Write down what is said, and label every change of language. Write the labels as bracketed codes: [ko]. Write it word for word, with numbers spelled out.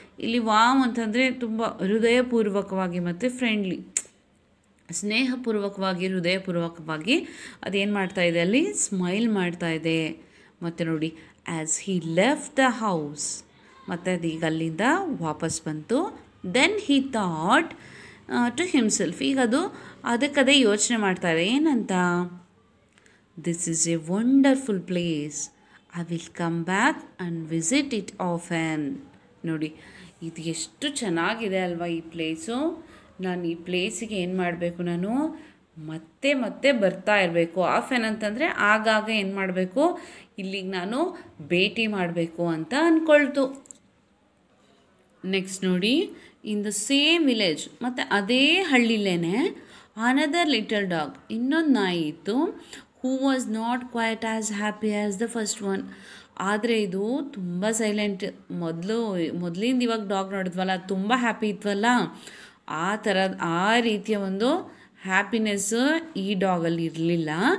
[kn] ಇಲ್ಲಿ ವಾಮ್ ಅಂತಂದರೆ ತುಂಬ ಹೃದಯಪೂರ್ವಕವಾಗಿ ಮತ್ತು ಫ್ರೆಂಡ್ಲಿ ಸ್ನೇಹಪೂರ್ವಕವಾಗಿ ಹೃದಯಪೂರ್ವಕವಾಗಿ ಅದೇನು ಮಾಡ್ತಾ ಇದೆ ಅಲ್ಲಿ ಸ್ಮೈಲ್ ಮಾಡ್ತಾ ಇದೆ. ಮತ್ತು ನೋಡಿ, [en] as he left the house, [kn] ಮತ್ತು ಅದೀಗ ಅಲ್ಲಿಂದ ವಾಪಸ್ ಬಂತು. [en] then he thought to himself, [kn] ಈಗ ಅದು ಅದಕ್ಕದೇ ಯೋಚನೆ ಮಾಡ್ತಾರೆ ಏನಂತ, [en] this is a wonderful place, I will come back and visit it often. [kn] ನೋಡಿ, ಇದು ಎಷ್ಟು ಚೆನ್ನಾಗಿದೆ ಅಲ್ವಾ ಈ ಪ್ಲೇಸು, ನಾನು ಈ ಪ್ಲೇಸಿಗೆ ಏನು ಮಾಡಬೇಕು, ನಾನು ಮತ್ತೆ ಮತ್ತೆ ಬರ್ತಾ ಇರಬೇಕು. ಆಫೆನ್ ಅಂತಂದರೆ ಆಗಾಗ ಏನು ಮಾಡಬೇಕು, ಇಲ್ಲಿಗೆ ನಾನು ಭೇಟಿ ಮಾಡಬೇಕು ಅಂತ ಅಂದ್ಕೊಳ್ತು. [en] next ನೋಡಿ, in the same village, [kn] ಮತ್ತು ಅದೇ ಹಳ್ಳಿಲೇನೆ [en] another little dog, [kn] ಇನ್ನೊಂದು ನಾಯಿ ಇತ್ತು. [en] Who was not quite as happy as the first one. [kn] ಆದರೆ ಇದು ತುಂಬ ಸೈಲೆಂಟ್, ಮೊದಲು ಮೊದಲಿಂದ ಇವಾಗ ಡಾಗ್ ನೋಡಿದ್ವಲ್ಲ ತುಂಬ ಹ್ಯಾಪಿ ಇತ್ತವಲ್ಲ ಆ ಥರ, ಆ ರೀತಿಯ ಒಂದು ಹ್ಯಾಪಿನೆಸ್ ಈ ಡಾಗಲ್ಲಿ ಇರಲಿಲ್ಲ.